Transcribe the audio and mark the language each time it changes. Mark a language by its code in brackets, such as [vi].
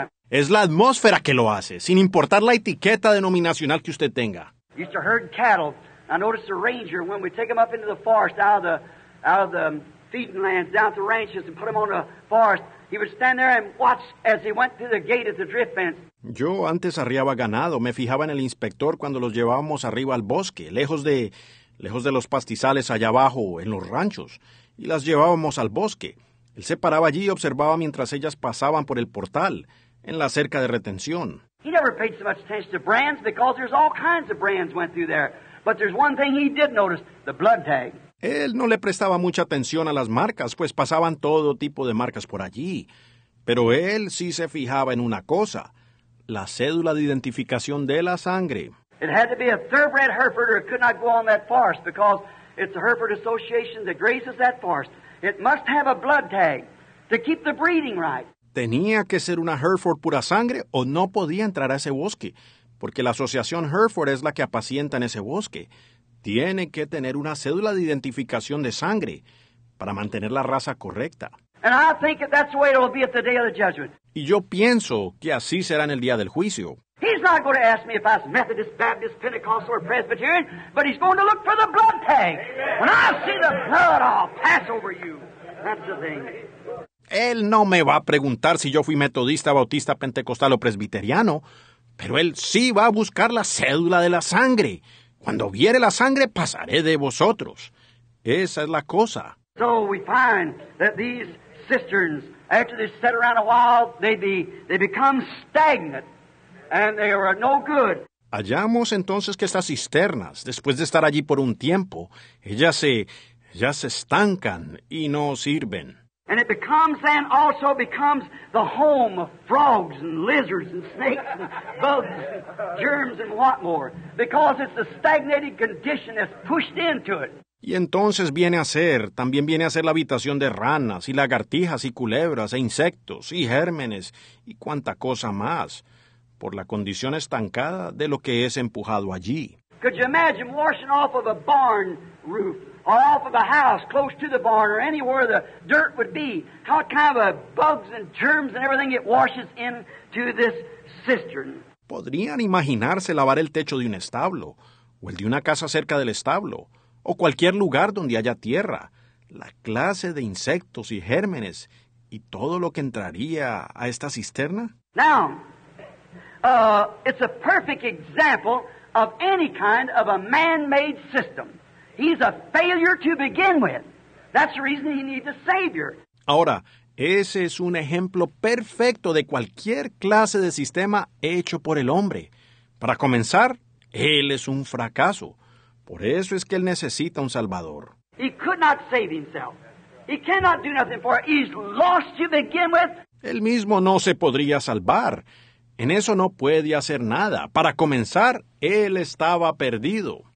[es] Es la atmósfera que lo hace, sin importar la etiqueta denominacional que usted tenga. [en] Used to herd cattle. I noticed a ranger when we take them up into the forest, out of the feeding lands, down to the ranches, and put them on the forest. He would stand there and watch as he went through the gate at the drift fence. [es] Yo antes arriaba ganado, me fijaba en el inspector cuando los llevábamos arriba al bosque, lejos de los pastizales allá abajo, en los ranchos, y las llevábamos al bosque. Él se paraba allí y observaba mientras ellas pasaban por el portal, en la cerca de retención. [en] He never paid so much attention to brands because there's all kinds of brands went through there. But there's one thing he did notice, the blood tag. [es] Él no le prestaba mucha atención a las marcas, pues pasaban todo tipo de marcas por allí. Pero él sí se fijaba en una cosa, la cédula de identificación de la sangre. [en] It had to be a thoroughbred Hereford or it could not go on that forest because it's the Hereford Association that grazes that forest. It must have a blood tag to keep the breeding right. [es] Tenía que ser una Hereford pura sangre o no podía entrar a ese bosque, porque la asociación Hereford es la que apacienta en ese bosque. Tiene que tener una cédula de identificación de sangre para mantener la raza correcta. [en] And I think that's the way it will be at the day of the judgment. [es] Y yo pienso que así será en el día del juicio. [en] He's not going to ask me if I was Methodist, Baptist, Pentecostal, or Presbyterian, but he's going to look for the blood tag. When I see the blood, I'll pass over you. That's the thing. [es] Él no me va a preguntar si yo fui metodista, bautista, pentecostal o presbiteriano, pero él sí va a buscar la cédula de la sangre. Cuando viere la sangre, pasaré de vosotros. Esa es la cosa. [en] So we find that these cisterns, after they sit around a while, they become stagnant, and they are no good. [es] Hallamos entonces que estas cisternas, después de estar allí por un tiempo, ellas se estancan y no sirven. [en] And it becomes then also becomes the home of frogs and lizards and snakes and bugs and germs and what more. Because it's the stagnated condition that's pushed into it. [es] Y entonces también viene a ser la habitación de ranas y lagartijas y culebras e insectos y gérmenes y cuanta cosa más por la condición estancada de lo que es empujado allí. [en] Could you imagine washing off of a barn roof? Or off of a house, close to the barn, or anywhere the dirt would be. How kind of a bugs and germs and everything it washes into this cistern. [es] ¿Podrían imaginarse lavar el techo de un establo, o el de una casa cerca del establo, o cualquier lugar donde haya tierra? La clase de insectos y gérmenes, y todo lo que entraría a esta cisterna? [en] Now, it's a perfect example of any kind of a man-made system. He's a failure to begin with. That's the reason he needs a savior. [es] Ahora, ese es un ejemplo perfecto de cualquier clase de sistema hecho por el hombre. Para comenzar, él es un fracaso. Por eso es que él necesita un salvador. [en] He could not save himself. He cannot do nothing for it. He's lost to begin with. [es] Él mismo no se podría salvar. En eso no puede hacer nada. Para comenzar, él estaba perdido.